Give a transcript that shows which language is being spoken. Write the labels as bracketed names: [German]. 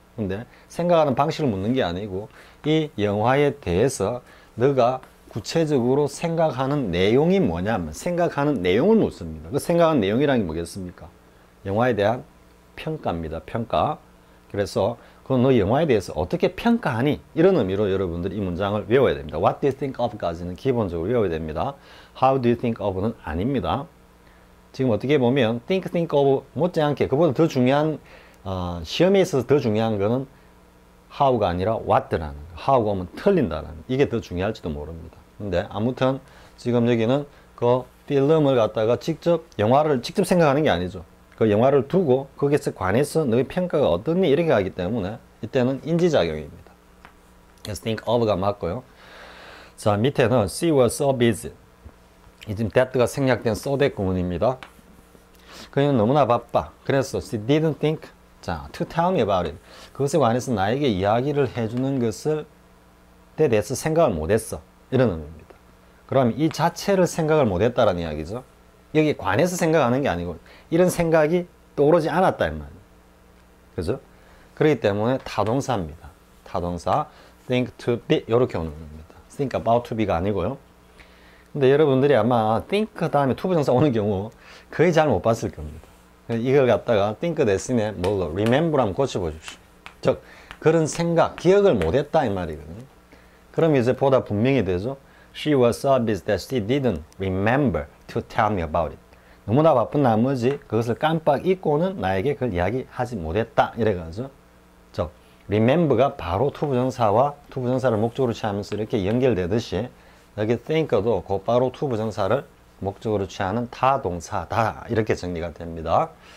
[Korean] 근데 생각하는 방식을 묻는 게 아니고 이 영화에 대해서 네가 구체적으로 생각하는 내용이 뭐냐면, 생각하는 내용을 묻습니다. 그 생각하는 내용이란 게 뭐겠습니까? 영화에 대한 평가입니다. 평가. 그래서 그건 너 영화에 대해서 어떻게 평가하니, 이런 의미로 여러분들이 이 문장을 외워야 됩니다. [English] What do you think of [Korean] 까지는 기본적으로 외워야 됩니다. [English] How do you think of [Korean] 는 아닙니다. 지금 어떻게 보면 think of 못지않게, 그보다 더 중요한, 시험에 있어서 더 중요한 거는 how가 아니라 what라는 거. how가 오면 틀린다라는 거. 이게 더 중요할지도 모릅니다. 근데 아무튼 지금 여기는 그 필름을 갖다가 직접 영화를 직접 생각하는 게 아니죠. 그 영화를 두고 거기에서 관해서 너의 평가가 어떻니, 이렇게 하기 때문에 이때는 인지작용입니다. 그래서 think of가 맞고요. 자, 밑에는 [English] she was so busy. [Korean] 지금 that가 생략된 so that 구문입니다. 그녀는 너무나 바빠. 그래서 [English] she didn't think, [Korean] 자, [English] to tell me about it. [Korean] 그것에 관해서 나에게 이야기를 해주는 것을, 때 대해서 생각을 못했어, 이런 의미입니다. 그럼 이 자체를 생각을 못 했다라는 이야기죠. 여기 관해서 생각하는 게 아니고 이런 생각이 떠오르지 않았다는 말이에요. 그죠? 그렇기 때문에 타동사입니다. 타동사 think to be 이렇게 오는 겁니다. think about to be가 아니고요. 근데 여러분들이 아마 think 다음에 to 부정사 오는 경우 거의 잘못 봤을 겁니다. 이걸 갖다가 think 대신에 뭘로 remember 한번 고쳐보십시오. 즉 그런 생각, 기억을 못했다 이 말이거든요. 그럼 이제 보다 분명히 되죠. [English] She was so busy that she didn't remember to tell me about it. [Korean] 너무나 바쁜 나머지 그것을 깜빡 잊고는 나에게 그걸 이야기하지 못했다 이래가죠. 즉 remember가 바로 to 부정사와 to 부정사를 목적으로 취하면서 이렇게 연결되듯이 여기 think도 곧바로 to 부정사를 목적으로 취하는 타 동사다 이렇게 정리가 됩니다.